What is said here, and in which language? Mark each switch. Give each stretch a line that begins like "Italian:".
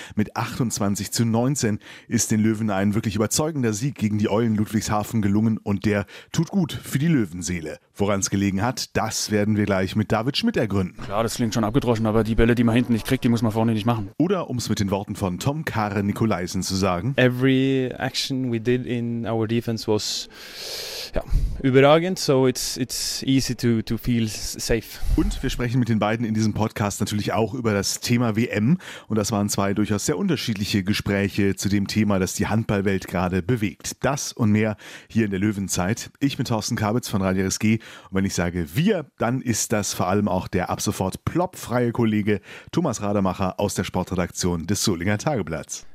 German: Mit 28:19 ist den Löwen ein wirklich überzeugender Sieg gegen die Eulen Ludwigshafen gelungen und der tut gut für die Löwenseele. Woran es gelegen hat, das werden wir gleich mit David Schmidt ergründen. Klar, das klingt schon abgedroschen, aber die Bälle, die man hinten nicht kriegt, die muss man vorne nicht machen. Oder um es mit den Worten von Tom Kare Nikolaisen zu sagen.
English: Every action we did in our defense was
German: überragend,
English: so it's easy to feel safe.
German: Und wir sprechen mit den beiden in diesem Podcast natürlich auch über das Thema WM. Und das waren zwei durchaus sehr unterschiedliche Gespräche zu dem Thema, das die Handballwelt gerade bewegt. Das und mehr hier in der Löwenzeit. Ich bin Thorsten Kabitz von Radio RSG. Und wenn ich sage wir, dann ist das vor allem auch der ab sofort ploppfreie Kollege Thomas Rademacher aus der Sportredaktion des Solinger Tageblatts.